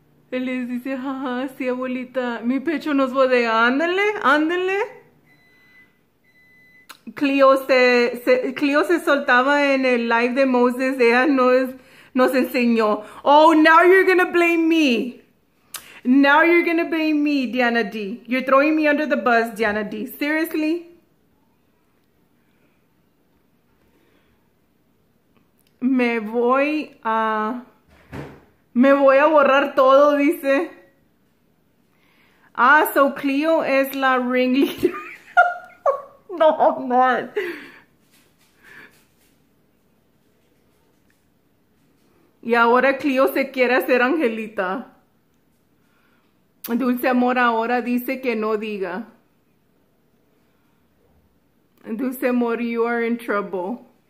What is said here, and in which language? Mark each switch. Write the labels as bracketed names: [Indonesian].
[Spanish] Él les dice, ajá, sí, abuelita, mi pecho nos bodea, ándale, ándale. Cleo se soltaba en el live de Moses, ella nos enseñó. [English] Oh, now you're gonna blame me. Now you're gonna blame me, Diana D. You're throwing me under the bus, Diana D. Seriously? [Spanish] Me voy a borrar todo, dice. Ah, so Cleo es la ringleader. No, man. Y ahora Cleo se quiere hacer Angelita. Dulce Amor ahora dice que no diga. [English] Dulce Amor, you are in trouble.